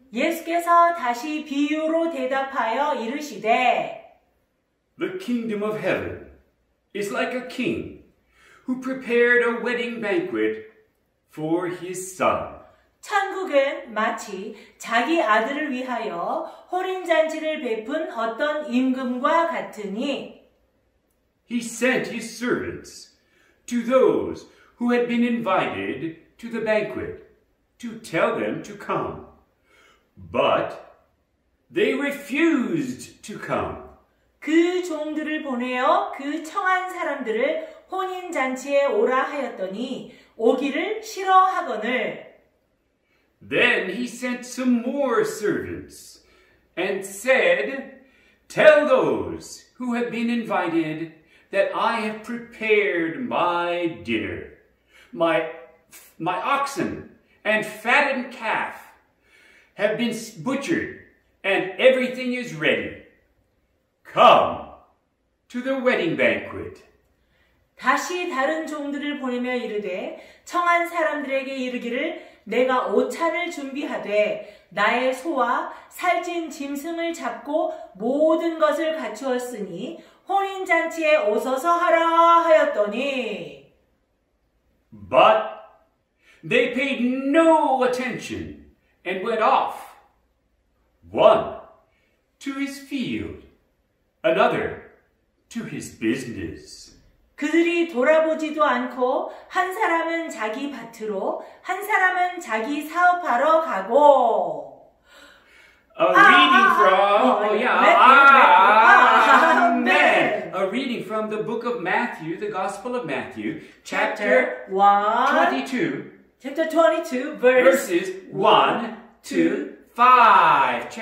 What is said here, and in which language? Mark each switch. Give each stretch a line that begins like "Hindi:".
Korean: 예수께서 다시 비유로 대답하여 이르시되,
English: The kingdom of heaven is like a king who prepared a wedding banquet for his son.
Korean: 천국은 마치 자기 아들을 위하여 혼인잔치를 베푼 어떤 임금과 같으니,
English: He sent his servants to those who had been invited to the banquet to tell them to come. But they refused to come.
Korean: 그 종들을 보내어 그 청한 사람들을 혼인잔치에 오라 하였더니 오기를 싫어하거늘.
English: Then he sent some more servants and said, Tell those who have been invited that I have prepared my dinner. My oxen and fattened calf have been butchered and everything is ready. Come to the wedding banquet.
Korean: 다시 다른 종들을 보내며 이르되 청한 사람들에게 이르기를 내가 오차를 준비하되 나의 소와 살찐 짐승을 잡고 모든 것을 갖추었으니 혼인 잔치에 오소서 하라 하였더니
English: But they paid no attention and went off one to his field Another to his business.
Korean: 그들이 돌아보지도 않고 한 사람은 자기 밭으로 한 사람은 자기 사업하러 가고
English: A reading from the book of Matthew, the Gospel of Matthew, chapter 22. Chapter 22 verse verses 1-5.